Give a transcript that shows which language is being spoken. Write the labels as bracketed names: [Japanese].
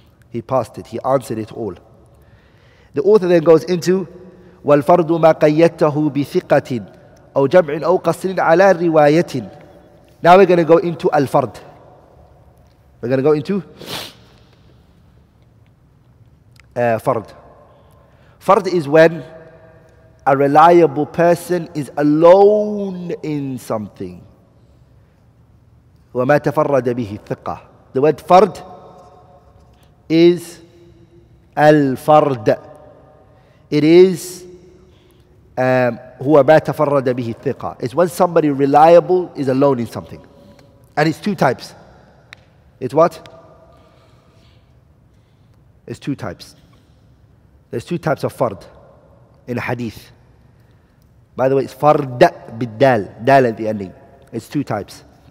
[English] He passed it. He answered it all. The author then goes into [Arabic] وَالْفَرْضُ مَا قَيَّتَهُ بِثِقَّةٍ أَوْ جَمْعٍ أَوْ قَصْرٍ عَلَى رِوَايَةٍ. [English] Now we're going to go into Al-Fard. We're going to go into Fard. Fard is when a reliable person is alone in something. [Arabic] وَمَا تَفَرَّدَ بِهِ الثِّقَّةِ. [English] The word Fard is Al-Fard. It is [Arabic] هو ما تفرد به الثقة. [English] It's when somebody reliable is alone in something. And it's two types. It's what? It's two types. There's two types of fard in a hadith. By the way, it's fard بالدال, دال at the ending. It's two types.